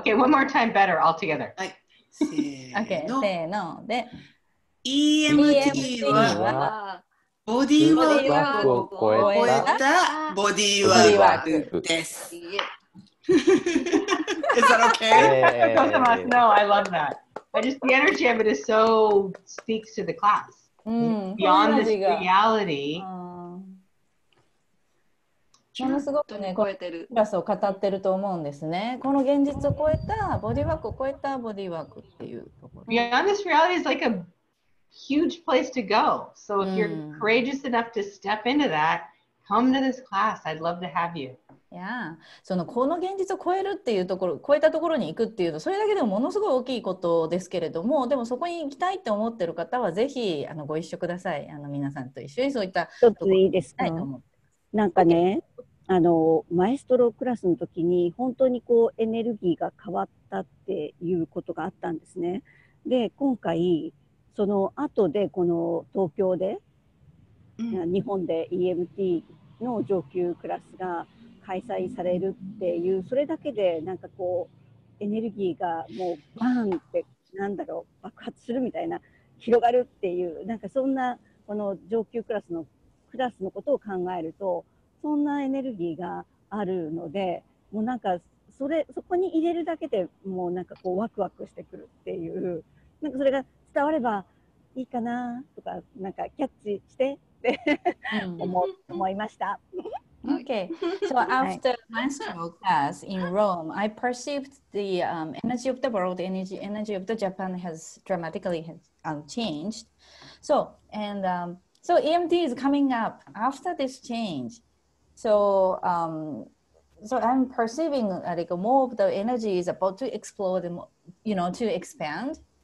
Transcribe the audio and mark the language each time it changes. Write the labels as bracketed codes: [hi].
[en] Okay, one more time better all together. [ja] はい、せーの、 okay, せーので EMT はボディーワークを超えたボディーワークです。 [en] Is that okay? Yeah. No, I love that. I just, the energy of it is so speaks to the class. Beyond this reality. [ja] ものすごくね、超えてる。クラスを語ってると思うんですね。この現実を超えたボディーワークを超えたボディーワークっていうところ。 [en] Beyond this reality is like a huge place to go. So if you're courageous enough to step into that, come to this class. I'd love to have you. [ja] いやそのこの現実を超えるっていうところ超えたところに行くっていうのそれだけでもものすごい大きいことですけれどもでもそこに行きたいって思ってる方はぜひあのご一緒くださいあの皆さんと一緒にそういったところに行きたいと思ってます。なんかねあのマエストロクラスの時に本当にこうエネルギーが変わったっていうことがあったんですね。で今回その後でこの東京で、日本で EMT の上級クラスが開催されるっていうそれだけでなんかこうエネルギーがもうバーンってなんだろう爆発するみたいな広がるっていうなんかそんなこの上級クラスのクラスのことを考えるとそんなエネルギーがあるのでもうなんかそれそこに入れるだけでもうなんかこうワクワクしてくるっていうなんかそれが伝わればいいかなとかなんかキャッチしてって思いました。 [en] Okay, so after Maestro class in Rome, I perceived the energy of the world, energy of the Japan has dramatically changed. So, and so EMT is coming up after this change. So, so I'm perceiving like more of the energy is about to explode, you know, to expand.